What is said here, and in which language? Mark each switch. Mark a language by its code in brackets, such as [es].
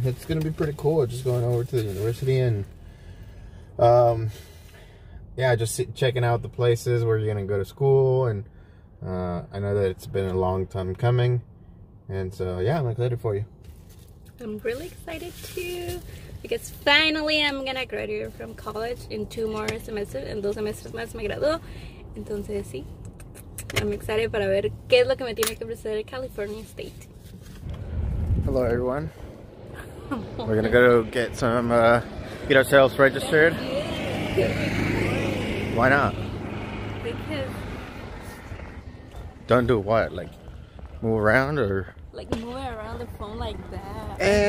[en] It's gonna be pretty cool just going over to the university and, yeah, just checking out the places where you're gonna go to school. And, I know that it's been a long time coming. And so, yeah, I'm excited for you. I'm really excited too, because finally I'm gonna graduate from college in 2 more semesters, and [es] 2 semestres más me graduó. Entonces, sí, [en] I'm excited [es] para ver qué es lo que me tiene que ofrecer California State. [en] Hello everyone. We're gonna go get some, get ourselves registered. Why not? Because. Don't do what? Like, move around or? Like, move around the phone like that.